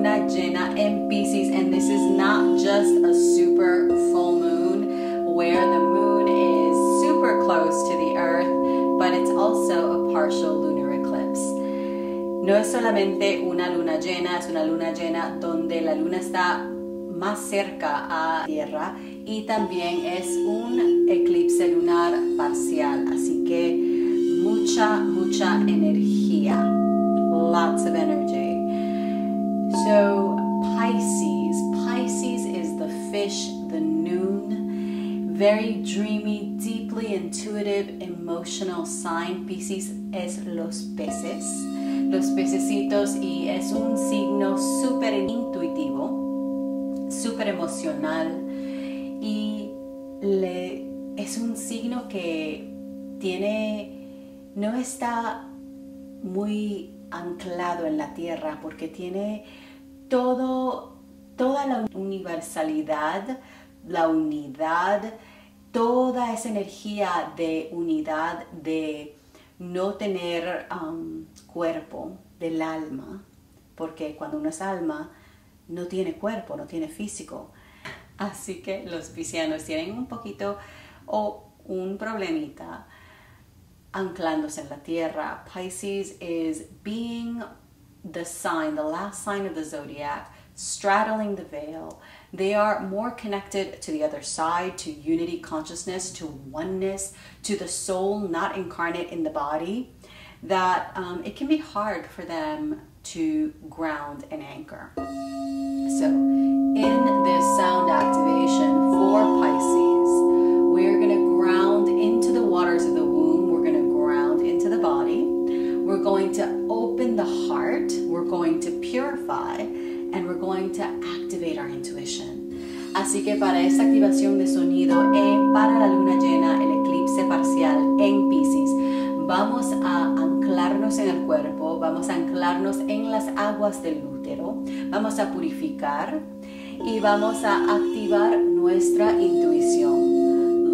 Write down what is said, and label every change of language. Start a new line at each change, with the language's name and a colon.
English: Llena in Pisces, and this is not just a super full moon where the moon is super close to the earth, but it's also a partial lunar eclipse.
Spanish: No es solamente una luna llena, es una luna llena donde la luna está más cerca a tierra y también es un eclipse lunar parcial, así que mucha energía.
English: Lots of energy. So Pisces is the fish, the noon, very dreamy, deeply intuitive, emotional sign.
Spanish: Pisces es los pececitos, y es un signo super intuitivo, super emocional, y es un signo que tiene, no está muy anclado en la tierra porque tiene toda la universalidad, la unidad, toda esa energía de unidad, de no tener cuerpo, del alma, porque cuando uno es alma no tiene cuerpo, no tiene físico. Así que los piscianos tienen un poquito o un problemita anclándose en la tierra.
English: Pisces is being the sign, the last sign of the zodiac, straddling the veil. They are more connected to the other side, to unity consciousness, to oneness, to the soul not incarnate in the body, that it can be hard for them to ground and anchor. So in this sound activation for Pisces, we're going to ground into the waters of the womb, we're going to ground into the body, we're going to open the heart, we're going to purify, and we're going to activate our intuition.
Spanish: Así que para esta activación de sonido y para la luna llena, el eclipse parcial en Pisces, vamos a anclarnos en el cuerpo, vamos a anclarnos en las aguas del útero, vamos a purificar y vamos a activar nuestra intuición.